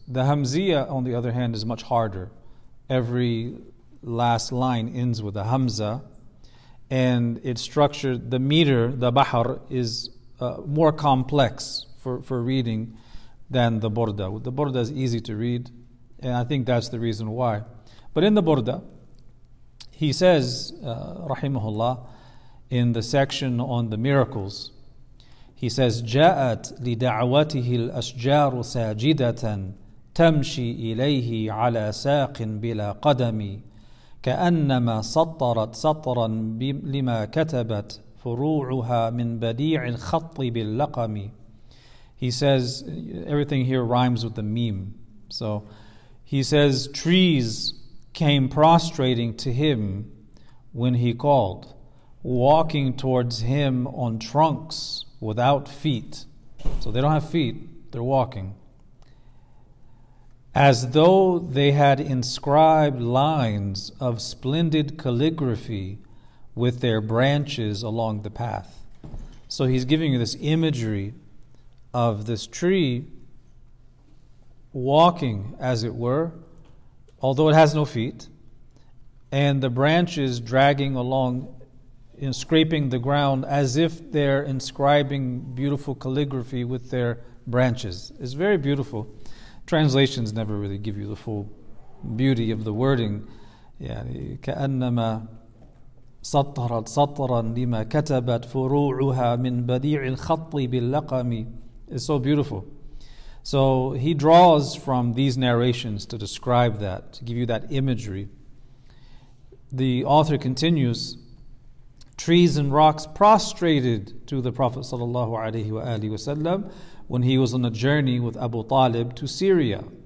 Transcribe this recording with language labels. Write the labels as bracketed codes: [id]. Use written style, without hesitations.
[en] The Hamziya, on the other hand, is much harder. Every last line ends with a Hamza. And it's structured, the meter, the bahar, is more complex for reading than the Burda. The Burda is easy to read, and I think that's the reason why. But in the Burda, he says, [ar] rahimahullah, in the section on the miracles, he says, جاءت لدعوته الأشجار ساجدة تمشي إليه على ساق بلا قدمي كأنما سطرت سطرا لما كتبت فروعها من بديع الخط باللقم. [en] He says, everything here rhymes with the meme. So he says, trees came prostrating to him when he called, walking towards him on trunks without feet. So they don't have feet, they're walking. As though they had inscribed lines of splendid calligraphy with their branches along the path. So he's giving you this imagery of this tree walking, as it were, although it has no feet, and the branches dragging along and scraping the ground as if they're inscribing beautiful calligraphy with their branches. It's very beautiful. Translations never really give you the full beauty of the wording. [ar] كأنما سطرت سطرا لما كتبت فروعها من بديع الخط باللقم. [en] It's so beautiful. So he draws from these narrations to describe that, to give you that imagery. The author continues, trees and rocks prostrated to the Prophet sallallahu alaihi wa alihi wasallam when he was on a journey with Abu Talib to Syria.